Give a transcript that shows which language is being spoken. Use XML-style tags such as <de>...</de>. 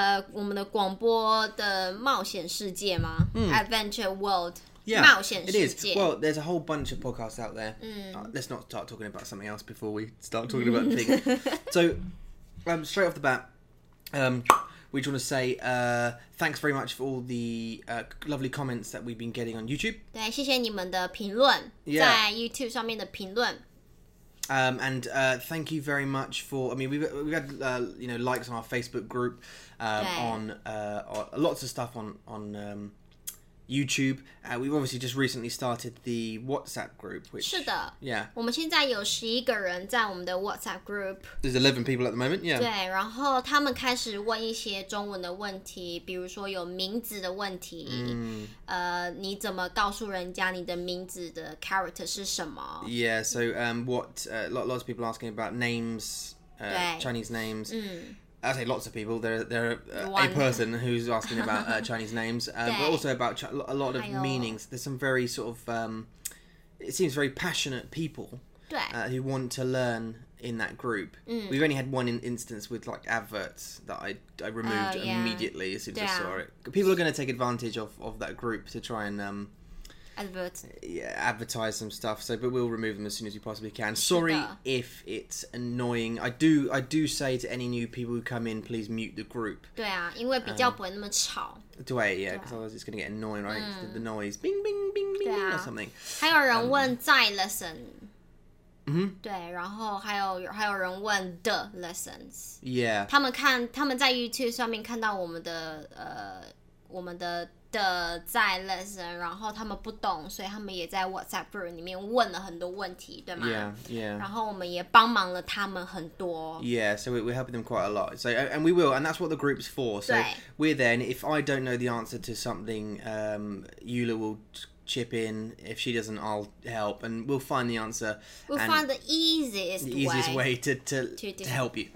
<zh>我们的广播的冒险世界吗？</zh> <en>Adventure world. Yeah,</en> <zh>冒险世界。</zh> <en>It is. Well, there's a whole bunch of podcasts out there. Let's not start talking about something else before we start talking about the thing. So, straight off the bat, we just want to say thanks very much for all the lovely comments that we've been getting on YouTube.</en> <zh>对，谢谢你们的评论，在 YouTube 上面的评论。</zh> <en>And thank you very much for. I mean, we've had you know, likes on our Facebook group, on lots of stuff on YouTube. We've obviously just recently started the WhatsApp group, which</en> <zh>是的</zh> <en>yeah.</en> <zh>我们现在有十一个人在我们的 WhatsApp group.</zh> <en>There's 11 people at the moment. Yeah.</en> <zh>对，然后他们开始问一些中文的问题，比如说有名字的问题。你怎么告诉人家你的名字的 character 是什么？</zh> <en>Yeah. So lots of people asking about names, Chinese names. I say lots of people. There are a person who's asking about Chinese names, but also about a lot of meanings. There's some very sort of, it seems very passionate people who want to learn in that group. We've only had one instance with like adverts that I removed immediately as soon as I saw it. People are going to take advantage of that group to try and advertise some stuff. So, but we'll remove them as soon as we possibly can. Sorry if it's annoying. I do say to any new people who come in, please mute the group.</en> <zh>对啊，因为比较不会那么吵。</zh> <en>对，yeah, because otherwise it's going to get annoying, right? The noise, bing bing bing bing, or something.</en> <zh>还有人问在 lesson. 嗯。对，然后还有人问 the lessons.</zh> <en>Yeah.</en> <zh>他们在 YouTube 上面看到我们的。的在 lesson， 然后他们不懂，所以他们也在 WhatsApp group 里面问了很多问题，对吗</zh> <en>？Yeah.</en> <zh>然后我们也帮忙了他们很多。</zh> <en>Yeah, so we're helping them quite a lot. So and we will, and that's what the group's for. So we're there. And if I don't know the answer to something, Eula will chip in. If she doesn't, I'll help, and we'll find the answer. We'll find the easiest way to help you.</en>